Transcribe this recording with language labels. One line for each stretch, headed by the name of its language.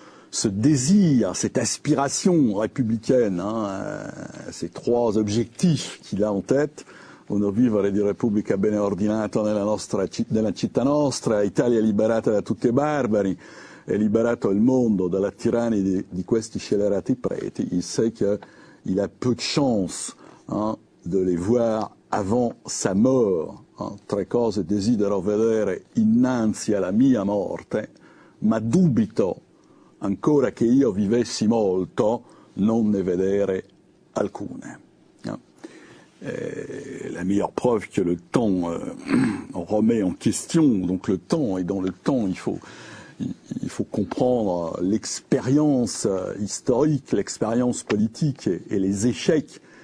French: ce désir, cette aspiration républicaine, hein, ces trois objectifs qu'il a en tête,
Italian: uno vivere di Repubblica bene ordinata nella città nostra, Italia liberata da tutti i barbari, e liberato il mondo dalla tirannia di questi scelerati preti,
French: il sait qu'il a peu de chance, hein, de les voir avant sa mort.
Italian: Tre cose desidero vedere innanzi alla mia morte, ma dubito ancora che io vivessi molto, non ne vedere alcune.
French: La meilleure preuve que le temps remet en question, donc le temps, et dans le temps il faut comprendre l'expérience historique, l'expérience politique et les échecs